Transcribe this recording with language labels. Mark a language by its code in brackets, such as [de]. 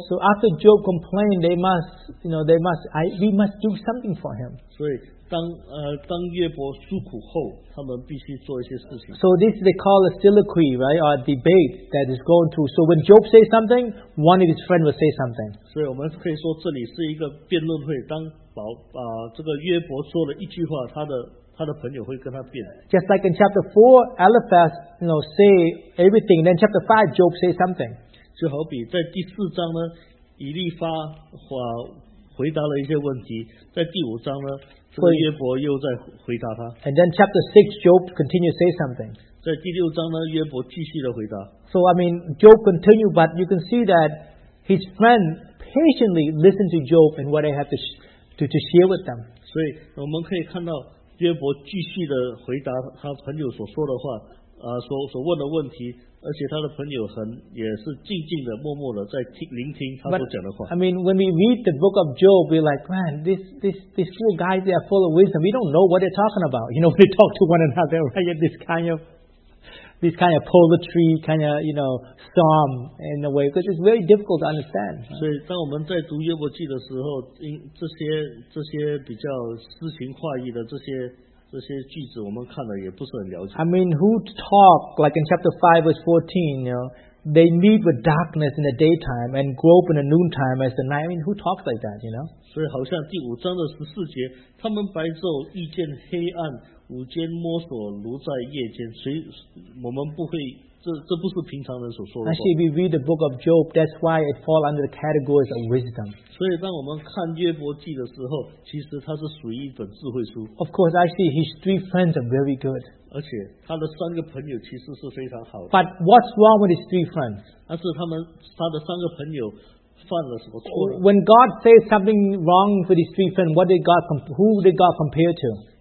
[en] So after Job complained, they must, you know, we must do something for him. [zh] 所以当约伯诉苦后，他们必须做一些事情。 [en] So this they call a soliloquy, right, or a debate that is going through. So when Job says something, one of his friends will say something. [zh] 所以我们可以说这里是一个辩论会。当这个约伯说了一句话，他的朋友会跟他辩。 [en] Just like in chapter 4, Eliphaz, you know, say everything. Then chapter 5, Job say something. [zh] 就好比在第四章呢，以利发回答了一些问题。在第五章呢，这个约伯又在回答他。 [en] And then chapter 6, Job continue say something. [zh] 在第六章呢，约伯继续的回答。 [en] So I mean, Job continue, but you can see that his friend patiently listen to Job and what he had to share with them. [zh] 所以我们可以看到。约伯继续的回答他朋友所说的话，所问的问题，而且他的朋友也是静静的、默默的在聆听他所讲的话。 [en] But, I mean, when we read the book of Job, we're like, man, these four guys, they are full of wisdom. We don't know what they're talking about. You know, they talk to one another, right? This kind of poetry, kind of, you know, psalm in a way, because it's very difficult to understand. [zh] 所以当我们在读约伯记的时候，这些比较诗情画意的这些句子，我们看了也不是很了解。 [en] I mean, who talk like in chapter 5 verse 14, you know, they meet with darkness in the daytime and grope in the noontime as the night. I mean, who talks like that, you know? [zh] 所以好像第五章的十四节，他们白昼遇见黑暗。午间摸索，如在夜间。所以我们不会，这不是平常人所说的话。 [en] Actually, we read the book of Job, that's why it falls under the categories of wisdom. [zh] 所以当我们看约伯记的时候，其实它是属于一本智慧书。 [en] Of course, actually, his three friends are very good. [zh] 而且他的三个朋友其实是非常好的。 [en] But what's wrong with his three friends? [zh] 但是他的三个朋友犯了什么错呢？ [en] When God says something wrong with his three friends, what did God who did God compare to?